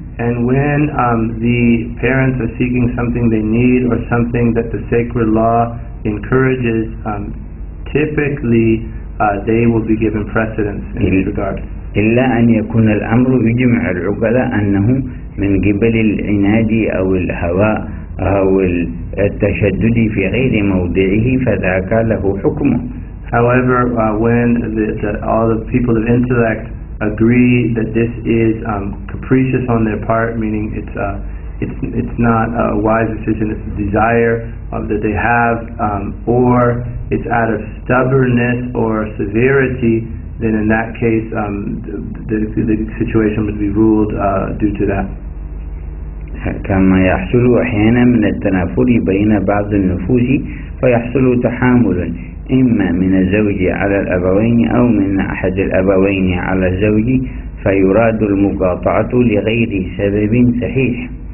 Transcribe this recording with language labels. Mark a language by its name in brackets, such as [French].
[English] And when the parents are seeking something they need or something that the sacred law encourages, typically they will be given precedence in this regard. [Arabic] إلا أن يكون الأمر يجمع العقلاء أنه من قبل العناد أو الهوى أو التشدد في غير موضعه فذاك له حكمه. [English] However, when all the people of intellect agree that this is capricious on their part, meaning it's not a wise decision, it's a desire that they have, or it's out of stubbornness or severity, then in that case the situation would be ruled due to that. [Arabic] كما يحصل أحيانا من التنافر بين بعض النفوس فيحصل تحامل إما من الزوج على الأبوين أو من أحد الأبوين على الزوج فيراد المقاطعة لغير سبب صحيح.